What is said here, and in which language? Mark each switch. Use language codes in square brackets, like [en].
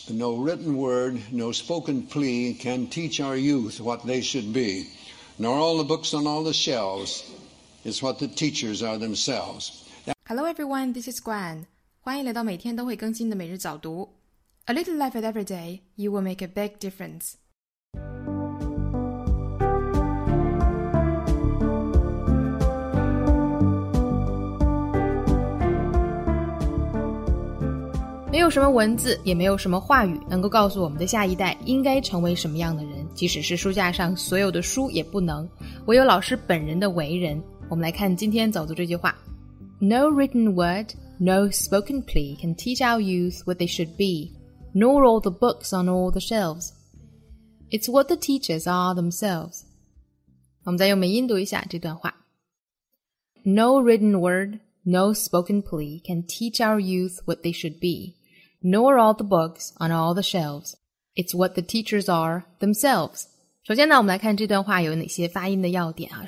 [en] no written word, no spoken plea can teach our youth what they should be, nor all the books on all the shelves is what the teachers are themselves. Hello everyone, this is Gwen. [zh] 欢迎来到每天都会更新的每日早读。 [en] A little life at every day, you will make a big difference. [zh] 没有什么文字，也没有什么话语能够告诉我们的下一代应该成为什么样的人，即使是书架上所有的书也不能，唯有老师本人的为人。我们来看今天早读这句话。 [en] No written word, no spoken plea can teach our youth what they should be, nor all the books on all the shelves. It's what the teachers are themselves. [zh] 我们再用美音读一下这段话。 [en] No written word, no spoken plea can teach our youth what they should be. Nor all the books on all the shelves. It's what the teachers are themselves. [zh] 首先呢，我们来看这段话有哪些发音的要点啊。